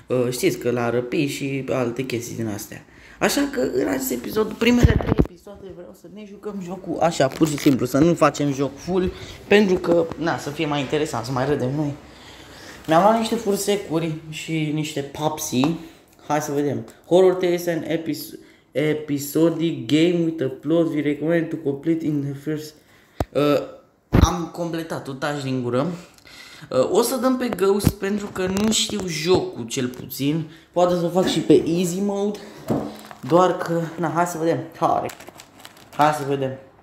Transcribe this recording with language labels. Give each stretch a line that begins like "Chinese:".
Romanian: Știți că l-a răpit și alte chestii din astea. Așa că în acest episod, primele 3 episoade, vreau să ne jucăm jocul așa, pur și simplu, să nu facem joc full, pentru că, na, să fie mai interesant, să mai râdem noi. Mi-am luat niște fursecuri și niște popsi. Hai să vedem.
English: Horror Tales and episodic game with a plot we recommend to complete in the first...
Romanian: am completat-o, taci din gură. O să dăm pe Ghost pentru că nu știu jocul, cel puțin. Poate să fac și pe easy mode. Doar că... Na, hai să vedem. Tare. Hai să vedem.